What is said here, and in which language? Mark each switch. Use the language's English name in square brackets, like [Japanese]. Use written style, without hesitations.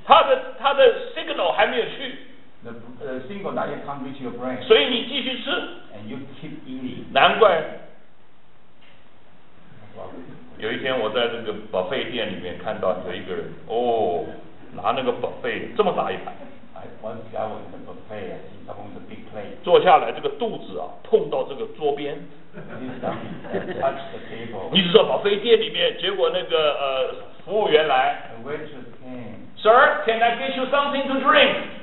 [Chinese] 他的 signal 还没有去。 [English] The signal not yet come reach your brain。 [Chinese] 所以你继续吃。 [English] And you keep eating。 [Chinese] 难怪。有一天我在那个 buffet 店里面看到有一个人，哦，拿那个 buffet 这么大一盘。 [English] I once got one in the buffet and see someone with a big plate。 [Chinese] 坐下来这个肚子啊，碰到这个桌边。 [English] Touch the table。 [Chinese] 你知道 buffet 店里面，结果那个服务员来。 [English] The waitress came。 Sir, can I get you something to drink?